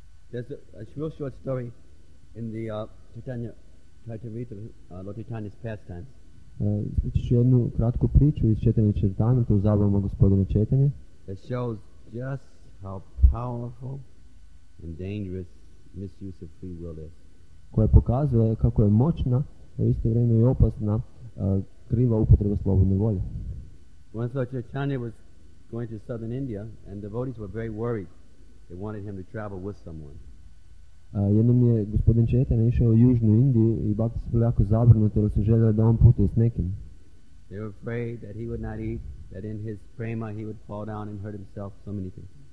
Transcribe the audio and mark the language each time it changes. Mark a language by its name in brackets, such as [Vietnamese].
[English] There's a real short story in the Chaitanya Charitamrita, Lord Chaitanya's pastimes. [Croatian] Ispričaću jednu kratku priču iz Chaitanya Charitamrita, u zabavama gospodina Chaitanya. [English] It shows just how powerful and dangerous misuse of free will is. [Croatian] Koja pokazuje kako je moćna, a isto vrijeme I opasna, kriva upotreba slobodne volje. [English] Once Lord Chaitanya was going to southern India and devotees were very worried. They wanted him to travel with someone. [Croatian] Jednom je gospodin Chaitanya išao u južnu Indiju I bhakti su bili jako zabrinuti jer su željeli da on putuje s nekim. [English] They were afraid that he would not eat, that in his prema he would fall down and hurt himself so many things.